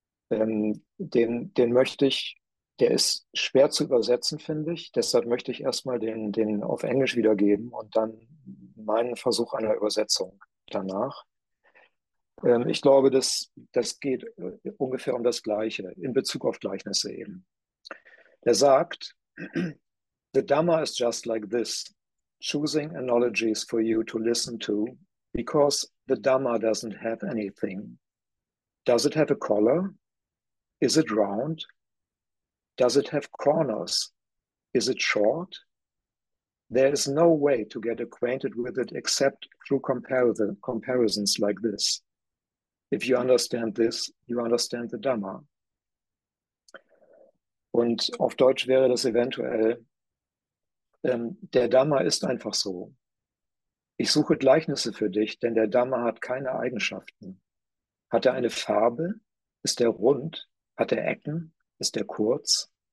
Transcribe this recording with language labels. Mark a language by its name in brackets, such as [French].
[German] Den möchte ich, der ist schwer zu übersetzen, finde ich. Deshalb möchte ich erstmal den auf Englisch wiedergeben und dann meinen Versuch einer Übersetzung danach. Ich glaube, das geht ungefähr um das Gleiche in Bezug auf Gleichnisse eben. Er sagt, [English] the Dhamma is just like this, choosing analogies for you to listen to, because the Dhamma doesn't have anything. Does it have a color? Is it round? Does it have corners? Is it short? There is no way to get acquainted with it except through comparisons like this. If you understand this, you understand the Dhamma. [German] Und auf Deutsch wäre das eventuell, der Dhamma ist einfach so. Ich suche Gleichnisse für dich, denn der Dhamma hat keine Eigenschaften. Hat er eine Farbe? Ist er rund? Hat er Ecken? Ist er kurz?